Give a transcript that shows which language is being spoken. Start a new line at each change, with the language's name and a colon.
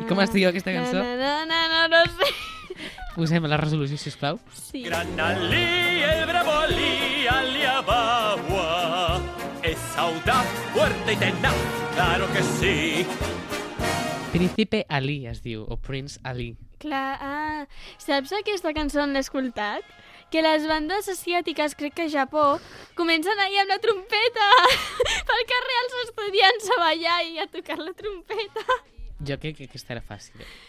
Catalan: I com es diu aquesta cançó? Na, na, na, na, no sé. Posem la resolució, sisplau. Sí.
Spanish: Gran Ali, el bravo Ali, Ali Ababua. Es audaz, fuerte y tenaz, claro que sí.
Catalan: Príncipe Ali es diu, o Prince Ali. Clar, ah, saps aquesta cançó en l'escoltat? Que les bandes asiàtiques, crec que a Japó, comencen ahir amb la trompeta pel carrer els estudiants a ballar i a tocar la trompeta. Jo crec que aquesta era fàcil.